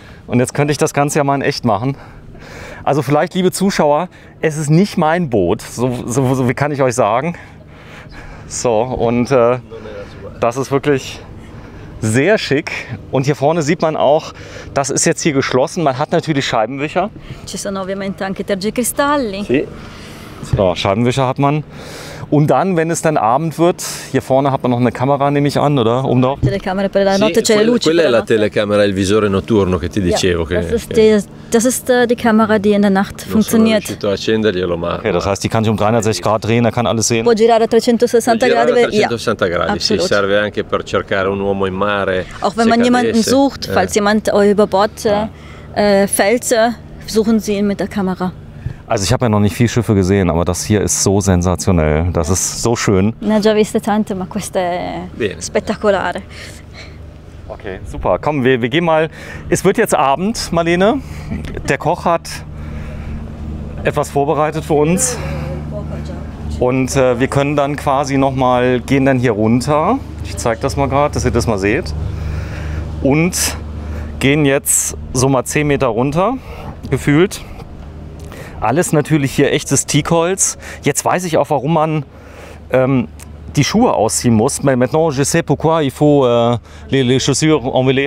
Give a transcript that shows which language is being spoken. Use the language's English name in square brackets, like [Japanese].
[German] Und jetzt könnte ich das Ganze ja mal in echt machen. Also vielleicht, liebe Zuschauer, es ist nicht mein Boot, so wie kann ich euch sagen. So, und das ist wirklich sehr schick. Und hier vorne sieht man auch, das ist jetzt hier geschlossen. Man hat natürlich Scheibenwischer. [Italian] Ci sono ovviamente anche tergicristalli. Sì. [German] So, Scheibenwischer hat man. Und dann, wenn es dann Abend wird, hier vorne hat man noch eine Kamera, nehme ich an, oder? Um noch. [Italian] Telecamera per la notte, c'è la luce. Quella è la telecamera, il visore notturno che ti dicevo. [German] Das ist die Kamera, die in der Nacht funktioniert. Okay, das heißt, die kann sich um 360 Grad drehen, er kann alles sehen. [Italian] Può girare a 360 gradi. 360 gradi, sì, serve anche per cercare un uomo in mare. [German] Auch wenn man jemanden sucht, falls jemand über Bord fällt, suchen sie ihn mit der Kamera. Also ich habe ja noch nicht viele Schiffe gesehen, aber das hier ist so sensationell. Das ist so schön. [Italian] Ne, già viste tante, ma questo è spettacolare. [German] Okay, super. Komm, wir gehen mal. Es wird jetzt Abend, Marlene. Der Koch hat etwas vorbereitet für uns. Und wir können dann quasi nochmal, gehen dann hier runter. Ich zeige das mal gerade, dass ihr das mal seht. Und gehen jetzt so mal 10 Meter runter, gefühlt. Alles natürlich hier echtes Teakholz. Jetzt weiß ich auch, warum man die Schuhe ausziehen muss. [French] Mais maintenant, je sais pourquoi il faut les chaussures enlever.